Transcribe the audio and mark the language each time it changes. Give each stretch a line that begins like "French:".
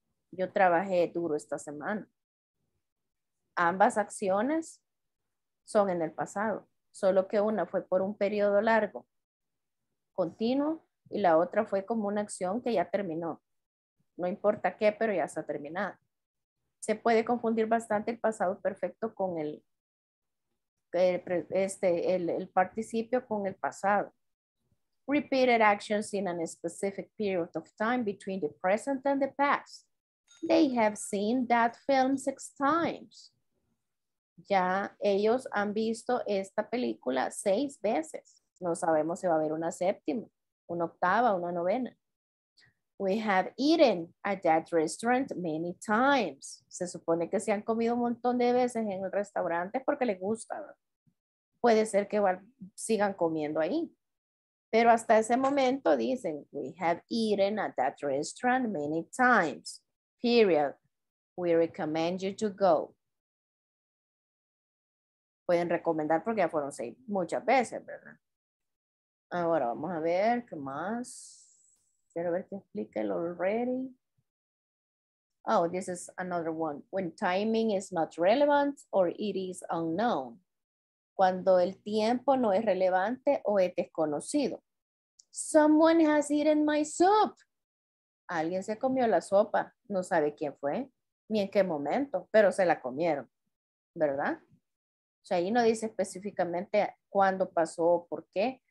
Spanish: Yo trabajé duro esta semana. Ambas acciones son en el pasado, solo que una fue por un periodo largo, continuo, y la otra fue como una acción que ya terminó. No importa qué, pero ya está terminada. Se puede confundir bastante el pasado perfecto con el participio con el pasado.
English: repeated actions in a specific period of time between the present and the past. They have seen that film 6 times.
Spanish: Ya ellos han visto esta película 6 veces. No sabemos si va a haber una séptima, una octava, una novena.
English: We have eaten at that restaurant many times.
Spanish: Se supone que se han comido un montón de veces en el restaurante porque les gusta. Puede ser que sigan comiendo ahí. Pero hasta ese momento dicen,
English: we have eaten at that restaurant many times. Period. We recommend you to go.
Spanish: Pueden recomendar porque ya fueron 6 muchas veces, ¿verdad? Ahora vamos a ver qué más. Quiero ver qué explica el already.
English: Oh, this is another one. When timing is not relevant or it is unknown.
Spanish: Cuando el tiempo no es relevante o es desconocido.
English: Someone has eaten my soup.
Spanish: Alguien se comió la sopa. No sabe quién fue ni en qué momento, pero se la comieron, ¿verdad? O sea, ahí no dice específicamente cuándo pasó o por qué.